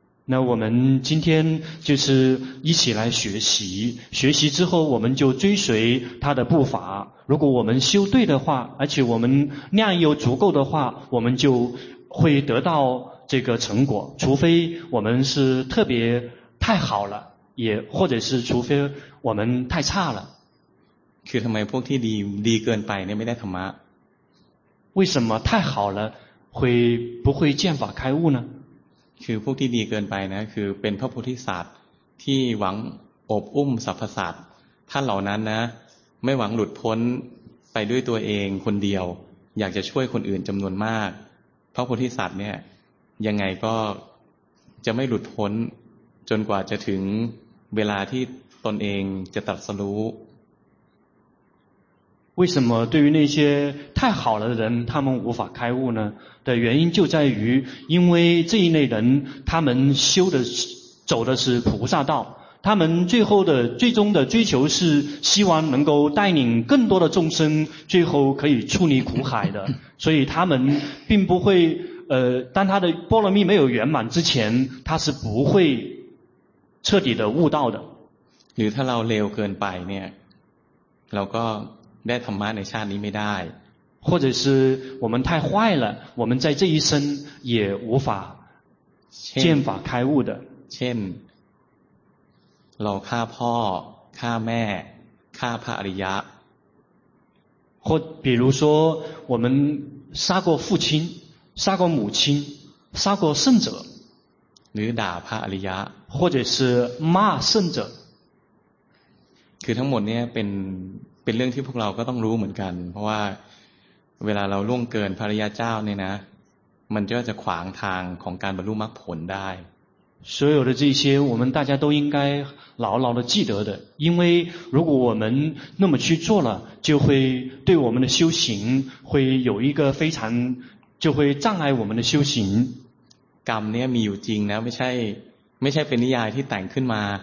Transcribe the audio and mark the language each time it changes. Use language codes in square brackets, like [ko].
[zh] 那我们今天就是一起来学习学习之后我们就追随他的步伐如果我们修对的话而且我们量又足够的话我们就会得到这个成果除非我们是特别太好了也或者是除非我们太差了 [th] คือทำไมพวกที่ดีเกินไปเนี่ยไม่ได้ธรรมะ [zh] 为什么太好了会不会见法开悟呢 [th] คือพวกที่ดีเกินไปนะคือเป็นพระโพธิสัตว์ที่หวังอบอุ้มสรรพสัตว์ท่านเหล่านั้นนะไม่หวังหลุดพ้นไปด้วยตัวเองคนเดียวอยากจะช่วยคนอื่นจำนวนมากพระโพธิสัตว์เนี่ยยังไงก็จะไม่หลุดพ้นจนกว่าจะถึงเวลาที่ตนเองจะตรัสรู้ [zh] 为什么对于那些太好了的人他们无法开悟呢的原因就在于因为这一类人他们修的走的是菩萨道他们最终的追求是希望能够带领更多的众生最后可以出离苦海的所以他们并不会当他的波罗蜜没有圆满之前他是不会彻底的悟道的 [th] หรือถ้าเราเลวเกินไปเนี่ยเราก็ได้ธรรมะในชาตินี้ไม่ได้ [zh] 或者是我们太坏了我们在这一生也无法见法开悟的 [th] เช่นเราฆ่าพ่อฆ่าแม่ฆ่าพระอริยะ [zh] 或比如说我们杀过父亲杀过母亲杀过圣者你打怕阿里亚或者是骂圣者 [th] คือทั้งหมดเนี่ยเป็นเรื่องที่พวกเราก็ต้องรู้เหมือนกันเพราะว่าเวลาเราล่วงเกินภริยาเจ้าเนี่ยนะมันก็จะขวางทางของการบรรลุมรรคผลได้ [zh] 所有的这些我们大家都应该牢牢的记得的因为如果我们那么去做了就会对我们的修行会有一个非常就会障碍我们的修行 [th] กรรมเนี่ยมีอยู่จริงนะไม่ใช่เป็นนิยายที่แต่งขึ้นมา